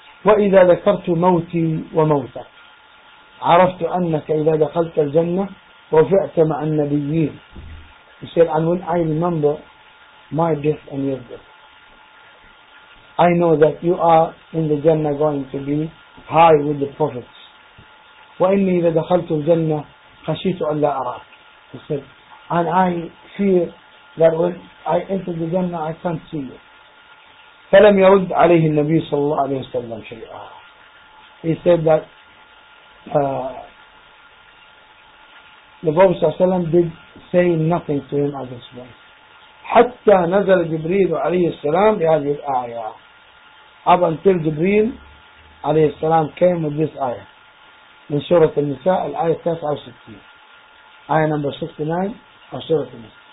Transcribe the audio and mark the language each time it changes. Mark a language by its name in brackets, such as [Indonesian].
[Arabic] وإذا ذكرت موتي وموتك عرفت أنك إذا دخلت الجنة وفعت مع النبيين. [English] He said, and when I remember my death and your death, I know that you are in the Jannah going to be high with the prophets. [Arabic] وإني إذا دخلت الجنة خشيت أن لا أراك. [English] He said, and I fear that when I enter the Jannah I can't see you. [Arabic] فلم يرد عليه النبي صلى الله عليه وسلم شيئا. [English] He said that the Prophet صلى الله عليه وسلم did say nothing to him at this point. [Arabic] حتى نزل جبريل عليه السلام بهذه الآية. [English] Up until Jibreel عليه السلام came with this ayah [Arabic] من سورة النساء الآية 69 [English] آية number 69 of سورة النساء.